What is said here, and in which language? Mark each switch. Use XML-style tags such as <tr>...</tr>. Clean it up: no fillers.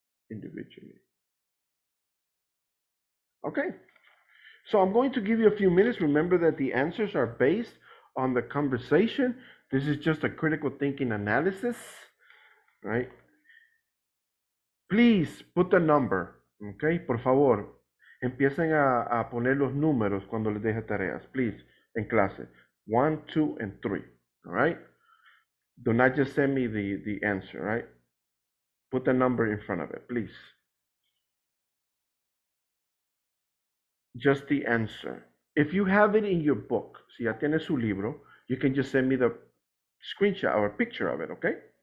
<en>Individually. Okay. So I'm going to give you a few minutes. Remember that the answers are based on the conversation. This is just a critical thinking analysis, right? Please put the number.</en> <es>Okay, por favor, empiecen a poner los números cuando les deje tareas, please, en clase.</es> <en>1, 2, and 3, all right? Do not just send me the answer, right? Put the number in front of it, please. Just the answer. If you have it in your book,</en> <es>si ya tiene su libro,</es> <en>you can just send me the screenshot or picture of it, okay?</en>